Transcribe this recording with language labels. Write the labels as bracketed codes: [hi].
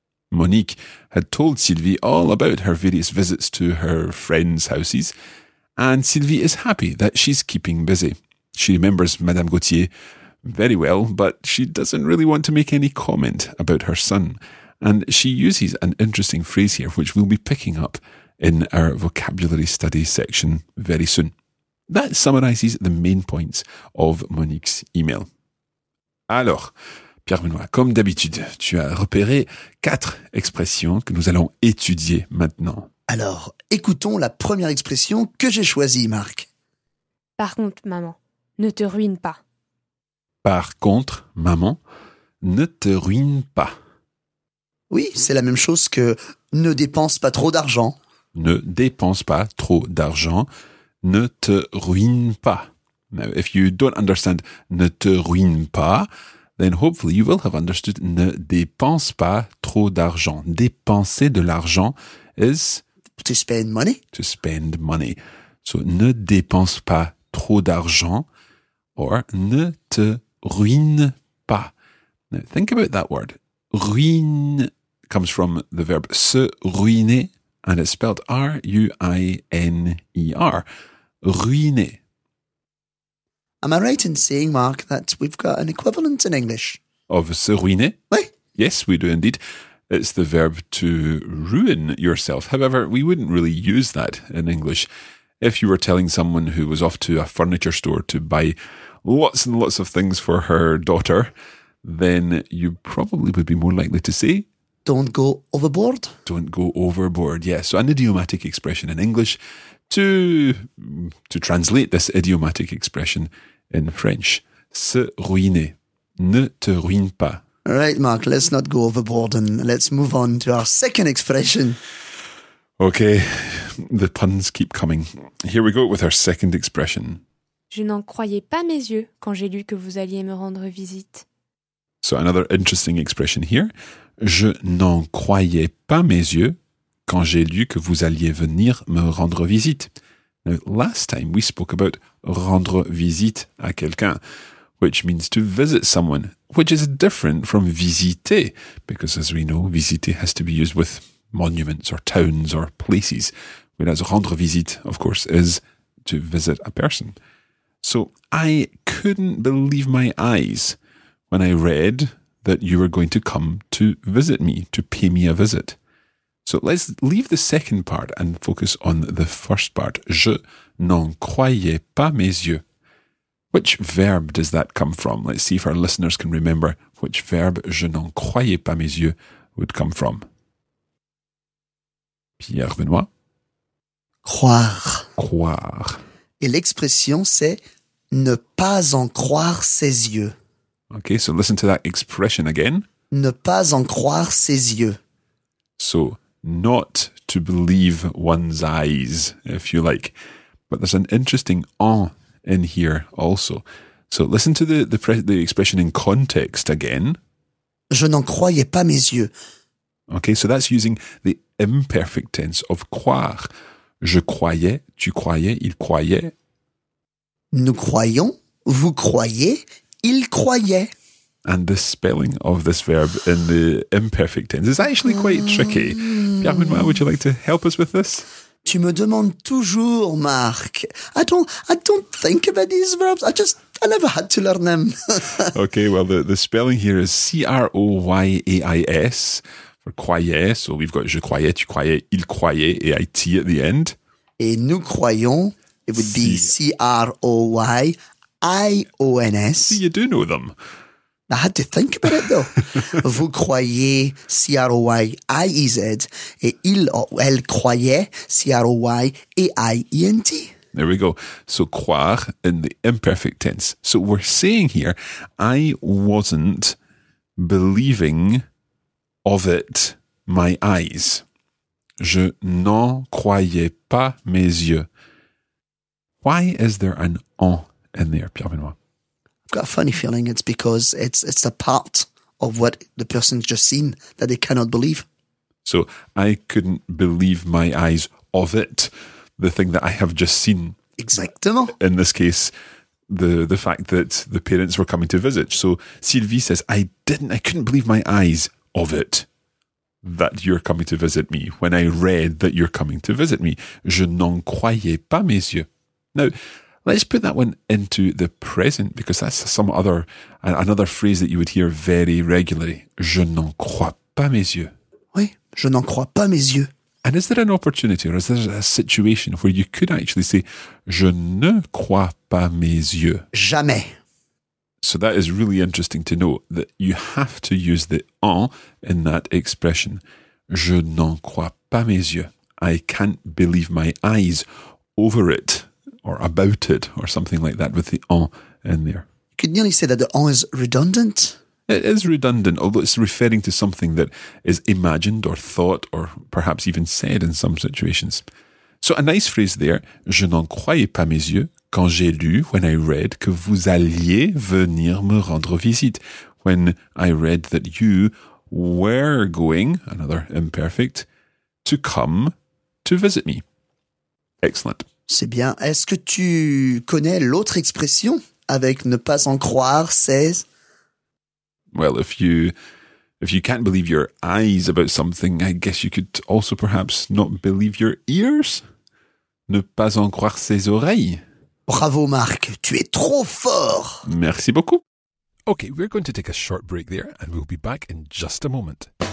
[en] Monique had told Sylvie all about her various visits to her friends' houses, and Sylvie is happy that she's keeping busy. She remembers Madame Gauthier very well, but she doesn't really want to make any comment about her son. And she uses an interesting phrase here, which we'll be picking up in our vocabulary study section very soon. That summarizes the main points of Monique's email. [fr] Alors, Pierre-Benoît, comme d'habitude, tu as repéré quatre expressions que nous allons étudier maintenant. Alors, écoutons la première expression que j'ai choisie, Marc. Par contre, maman, ne te ruine pas. Par contre, maman, ne te ruine pas. Oui, c'est la même chose que « ne dépense pas trop d'argent ». Ne dépense pas trop d'argent, ne te ruine pas. [en] Now, if you don't understand « [fr] ne te ruine pas [en] », then hopefully you will have understood « [fr] ne dépense pas trop d'argent ». Dépenser de l'argent [en] is… To spend money. To spend money. So, [fr] « ne dépense pas trop d'argent » [en] or [fr] « ne te ruine pas ». [en] Now, think about that word. Ruine comes from the verb se ruiner, and it's spelled R-U-I-N-E-R. [fr] Ruiner. [en] Am I right in saying, Mark, that we've got an equivalent in English? Of [fr] se ruiner? Oui. [en] Yes, we do indeed. It's the verb to ruin yourself. However, we wouldn't really use that in English. If you were telling someone who was off to a furniture store to buy lots and lots of things for her daughter, then you probably would be more likely to say... Don't go overboard. Don't go overboard, yes. Yeah, so an idiomatic expression in English to translate this idiomatic expression in French. [fr] Se ruiner. Ne te ruine pas. [en] All right, Mark, let's not go overboard and let's move on to our second expression. Okay, the puns keep coming. Here we go with our second expression. [fr] Je n'en croyais pas mes yeux quand j'ai lu que vous alliez me rendre visite. [en] So another interesting expression here. [fr] Je n'en croyais pas mes yeux quand j'ai lu que vous alliez venir me rendre visite. [en] Now, last time we spoke about [fr] rendre visite à quelqu'un, [en] which means to visit someone, which is different from visiter, because as we know, visiter has to be used with monuments or towns or places, whereas rendre visite, of course, is to visit a person. So I couldn't believe my eyes when I read that you were going to come to visit me, to pay me a visit. So let's leave the second part and focus on the first part. [fr] Je n'en croyais pas mes yeux. [en] Which verb does that come from? Let's see if our listeners can remember which verb [fr] je n'en croyais pas mes yeux [en] would come from. Pierre-Benoît. [fr] Croire. Croire. Et l'expression c'est ne pas en croire ses yeux. [en] Okay, so listen to that expression again. [fr] Ne pas en croire ses yeux. [en] So, not to believe one's eyes, if you like. But there's an interesting en in here also. So listen to the expression in context again. [fr] Je n'en croyais pas mes yeux. [en] Okay, so that's using the imperfect tense of croire. [fr] Je croyais, tu croyais, il croyait. Nous croyons, vous croyez. Il croyait. [en] And the spelling of this verb in the imperfect tense is actually quite tricky. Pierre-Benoît, would you like to help us with this? [fr] Tu me demandes toujours, Marc. [en] I don't think about these verbs. I never had to learn them. Okay, well, the spelling here is C-R-O-Y-A-I-S for croyait. So we've got [fr] je croyais, tu croyais, il croyait, et A-I-T [en] at the end. [fr] Et nous croyons, [en] it would be [fr] C-R-O-Y. I-O-N-S. [en] See, you do know them. I had to think about it, though. [fr] Vous croyez, C-R-O-Y-I-E-Z, et il ou elle croyait, C-R-O-Y-E-I-E-N-T. [en] There we go. So, croire in the imperfect tense. So, we're saying here, I wasn't believing of it my eyes. [fr] Je n'en croyais pas mes yeux. [en] Why is there an en in there, Pierre-Benoît? I've got a funny feeling it's because it's a part of what the person's just seen that they cannot believe. So I couldn't believe my eyes of it, the thing that I have just seen. [fr] Exactement. [en] In this case, the fact that the parents were coming to visit. So Sylvie says, I couldn't believe my eyes of it, that you're coming to visit me, when I read that you're coming to visit me. [fr] Je n'en croyais pas mes yeux. [en] Now, Let's put that one into the present, because that's some other, another phrase that you would hear very regularly. [fr] Je n'en crois pas mes yeux. Oui, je n'en crois pas mes yeux. [en] And is there an opportunity or is there a situation where you could actually say, [fr] je ne crois pas mes yeux? Jamais. [en] So that is really interesting to know that you have to use the en in that expression. [fr] Je n'en crois pas mes yeux. [en] I can't believe my eyes over it or about it or something like that with the en in there. You could nearly say that the en is redundant. It is redundant, although it's referring to something that is imagined or thought or perhaps even said in some situations. So a nice phrase there, [fr] je n'en croyais pas mes yeux quand j'ai lu, [en] when I read, [fr] que vous alliez venir me rendre visite, [en] when I read that you were going, another imperfect, to come to visit me. Excellent. [fr] C'est bien. Est-ce que tu connais l'autre expression avec ne pas en croire, c'est... [en] Well, if you can't believe your eyes about something, I guess you could also perhaps not believe your ears. [fr] Ne pas en croire ses oreilles. Bravo, Marc. Tu es trop fort. Merci beaucoup. [en] Okay, we're going to take a short break there and we'll be back in just a moment.